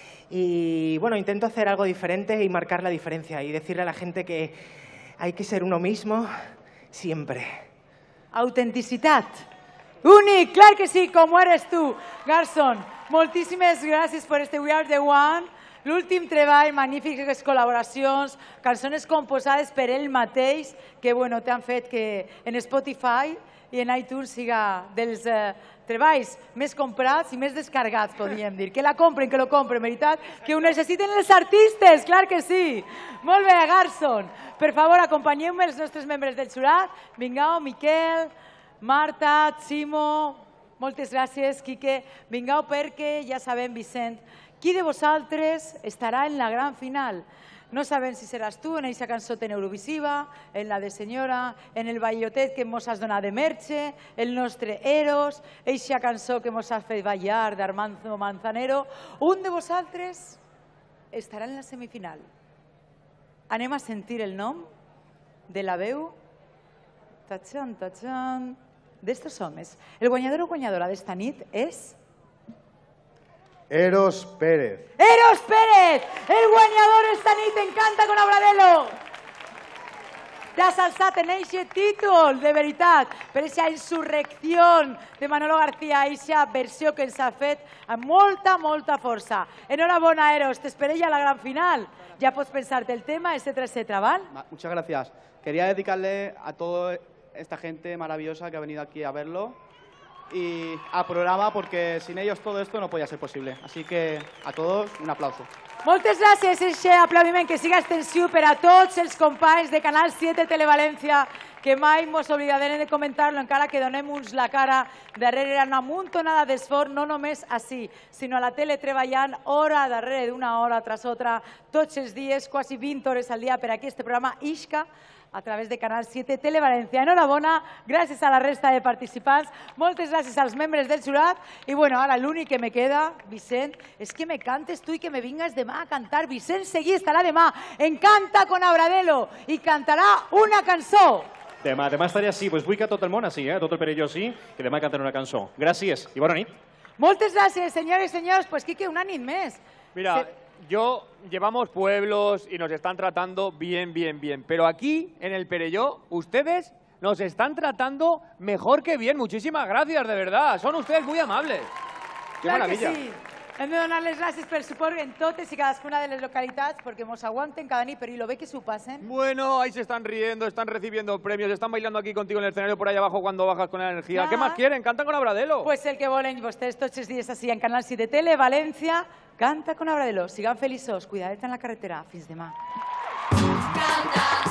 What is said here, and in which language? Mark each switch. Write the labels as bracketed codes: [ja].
[es] Y bueno, intento hacer algo diferente y marcar la diferencia y decirle a la gente que hay que ser uno mismo siempre. Autenticidad. Únic, claro que sí, como eres tú, Garson. Muchísimas gracias por este We Are The One. [ca] L'últim treball, [es] magníficas colaboraciones, canciones composadas por [ca] él mateix, que bueno, te han fet que en Spotify y en iTunes siga dels treballs més comprats i més descargats, podríem dir. [es] Que la compren, que lo compren, [ca] veritat, que ho necessiten els artistes, clar que sí. Molt bé, Garson. Per favor, acompanyeu-me els nostres membres del jurat. Vingau, Miquel, Marta, Ximo, moltes gràcies, Quique. Vingau perquè, ja sabem, Vicent, qui de vosaltres estarà en la gran final? No sabem si seràs tu en aquesta cançó eurovisiva, en la de senyora, en el ballotet que ens has donat de Merche, el nostre Eros, aquesta cançó que ens has fet ballar d'Armando Manzanero. Un de vosaltres estarà en la semifinal. Anem a sentir el nom de la veu tachan, tachan, d'estos homes. El guanyador o guanyadora d'esta nit és... Eros Pérez. ¡Eros Pérez! El guanyador esta nit encanta con Abradelo. T'has alzat en eixe títol, de veritat, per eixa insurrecció de Manolo García, eixa versió que ens ha fet amb molta, molta força. Enhorabona, Eros, t'esperé ja a la gran final. Ja pots pensar-te el tema, etcètera, etcètera, val? [es] Muchas gracias. Quería dedicarle a toda esta gente maravillosa que ha venido aquí a verlo. Y a programa, porque sin ellos todo esto no podía ser posible. Así que a todos un aplauso. [ca] Moltes gràcies, eixe aplaudiment, que siga extensiu per a tots els companys de Canal 7 Televalència, que mai mos oblidarem de comentar-lo, encara que donem-nos la cara darrere una muntonada d'esforç, no només així, sinó a la tele treballant hora darrere d'una hora [es] tras otra, [ca] tots els dies, quasi 20 hores al dia, per a que este programa isca a través de Canal 7 Televalència. Enhorabona, gràcies a la resta de participants, moltes gràcies als membres del jurat, i bueno, ara l'únic que me queda, Vicent, és que me cantes tu i que me vingues demà a cantar. Vicent Seguí estarà demà en Canta con Abradelo i cantarà una cançó. Demà estaré així, doncs vull que tot el món així, tot el Perelló així, que demà canten una cançó. Gràcies i bona nit. Moltes gràcies, senyores i senyors, doncs Quique, una nit més. Mira... [es] Yo, llevamos pueblos y nos están tratando bien, bien, bien. Pero aquí, en el Perelló, ustedes nos están tratando mejor que bien. Muchísimas gracias, de verdad. Son ustedes muy amables. ¡Qué claro maravilla! Que sí. [ca] Hem de donar-les gràcies per suport en totes i cadascuna de les localitats perquè mos aguanten cada nit, però i lo bé que s'ho passen. [es] Bueno, ahí se están riendo, están recibiendo premios, están bailando aquí contigo en el escenario por ahí abajo cuando bajas con la energía. ¿Qué más quieren? ¡Cantan con Abradelo! [ca] Pues el que volen vostès tots els dies així en Canal 7 Tele, València, canta con Abradelo. Sigan feliços, cuidadet en la carretera. Fins demà. Canta.